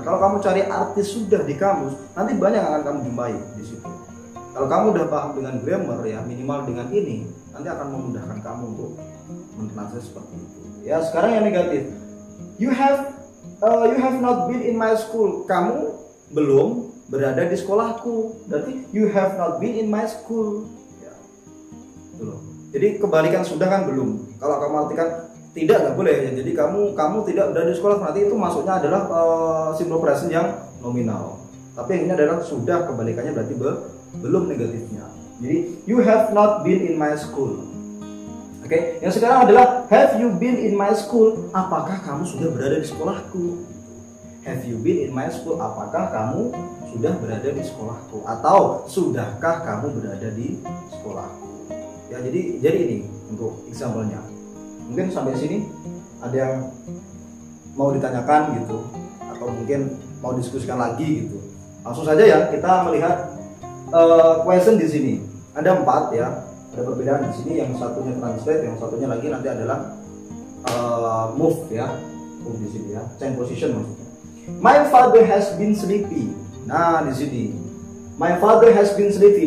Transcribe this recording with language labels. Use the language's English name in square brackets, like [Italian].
[Indonesian] Kalau kamu cari arti sudah di kamus, nanti banyak akan kamu jumpai di situ. Kalau kamu udah paham dengan grammar ya, minimal dengan ini, nanti akan memudahkan kamu untuk mentranslate seperti itu. Ya, sekarang yang negatif. [English] You have not been in my school. [Indonesian] Kamu belum berada di sekolahku. [English] Berarti you have not been in my school. [Indonesian] Ya. Itu. Jadi kebalikan sudah kan belum. Kalau kamu artikan tidak enggak boleh ya. Jadi kamu tidak berada di sekolah, berarti itu maksudnya adalah simple present yang nominal. Tapi yang ini adalah sudah, kebalikannya berarti belum negatifnya. [English] Jadi you have not been in my school. [Indonesian] Oke, yang sekarang adalah [English] have you been in my school? [Indonesian] Apakah kamu sudah berada di sekolahku? [English] Have you been in my school? [Indonesian] Apakah kamu sudah berada di sekolahku? Atau sudahkah kamu berada di sekolahku? Ya, jadi ini untuk example-nya. Mungkin sampai sini ada yang mau ditanyakan gitu, atau mungkin mau diskusikan lagi gitu. Langsung saja ya, kita melihat question di sini. Ada 4 ya. Ada perbedaan di sini, yang satunya translate, yang satunya lagi nanti adalah move di sini ya, [English] change position [Indonesian] maksudnya. [English] My father has been sleepy. [Indonesian] Nah, di sini [English] my father has been sleepy.